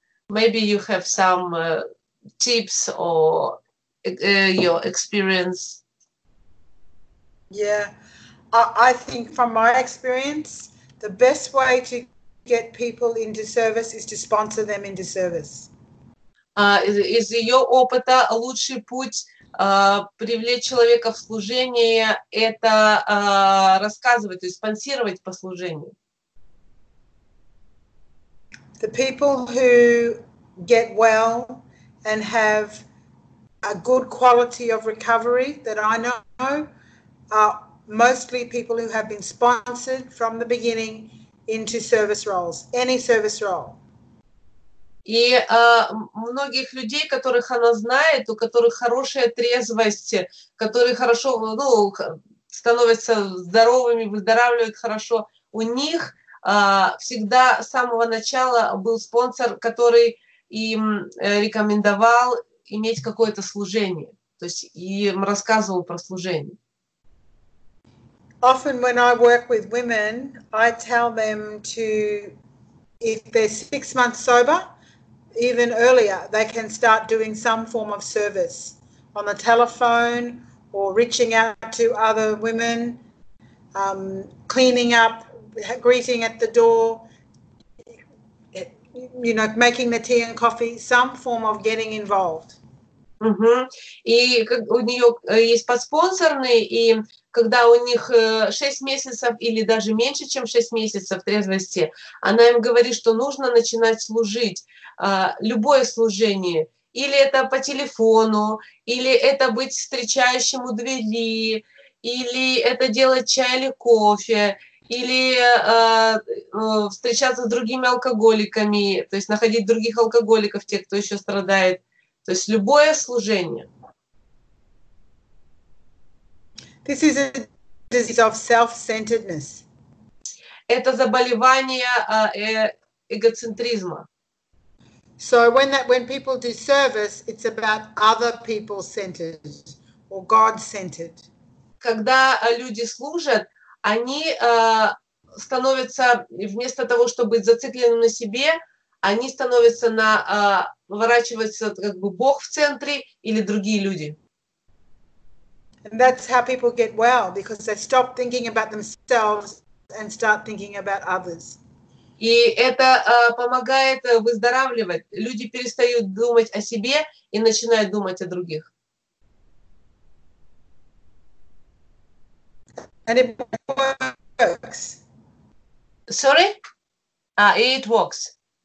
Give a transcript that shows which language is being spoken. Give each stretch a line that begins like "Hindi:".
English: Maybe you have some tips or your experience. Yeah, I think from my experience, the best way to get people into service is to sponsor them into service.
Russian: Из ее опыта лучший путь привлечь человека в служение – это рассказывать, то есть спонсировать по служению.
English: The people who get well and have a good quality of recovery that I know are mostly people who have been sponsored from the beginning into service roles, any service role.
Russian: И многих людей, которых она знает, у которых хорошая трезвость, которые хорошо, ну, становятся здоровыми, выздоравливают хорошо, у них всегда с самого начала был спонсор, который им рекомендовал иметь какое-то служение, то есть им рассказывал про служение.
English: Often when I work with women, I tell them to, if they're 6 months sober, even earlier, they can start doing some form of service on the telephone or reaching out to other women, cleaning up, greeting at the door, you know, making the tea and coffee, some form of getting involved.
Russian: И у нее есть подспонсорные, и когда у них 6 месяцев или даже меньше, чем 6 месяцев трезвости, она им говорит, что нужно начинать служить. Любое служение, или это по телефону, или это быть встречающим у двери, или это делать чай или кофе, или встречаться с другими алкоголиками, то есть находить других алкоголиков, тех, кто еще страдает. То есть любое служение.
English: This is a disease of self-centeredness.
Russian: это заболевание эгоцентризма.
English: So when people do service, it's about other people centered or God centered.
Russian: Когда люди служат, они становятся, вместо того, чтобы быть зацикленным на себе, они становятся на выворачиваются как бы Бог в центре или другие люди.
English: And that's how people get well, because they stop thinking about themselves and start thinking about others.
Russian: И это помогает выздоравливать. Люди перестают думать о себе и начинают думать о других.
English: And it works. Sorry? It works.